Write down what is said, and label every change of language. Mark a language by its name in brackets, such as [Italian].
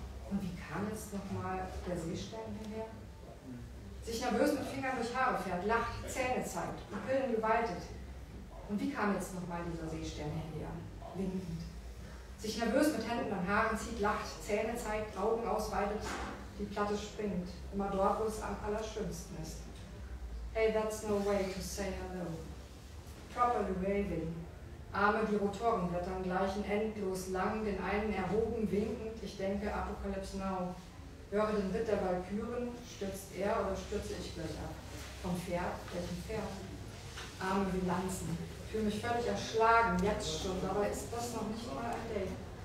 [German] Und wie kam jetzt nochmal der Seestern hierher? Sich nervös mit Fingern durch Haare fährt, lacht, Zähne zeigt, Pupillen geweitet. Und wie kam jetzt nochmal dieser Seestern hierher? Winkend. Sich nervös mit Händen an Haaren zieht, lacht, Zähne zeigt, Augen ausweitet, die Platte springt, immer dort, wo es am allerschönsten ist. [English] Hey, that's no way to say hello. Properly waving. [German] Arme, die Rotoren blättern, gleichen endlos lang, den einen erhoben, winkend, ich denke, Apocalypse Now. Höre den Ritt der Walküren, stürzt er oder stürze ich gleich ab? Vom Pferd, welchem Pferd? Arme wie Lanzen, fühle mich völlig erschlagen, jetzt schon, dabei ist das noch nicht mal ein Date.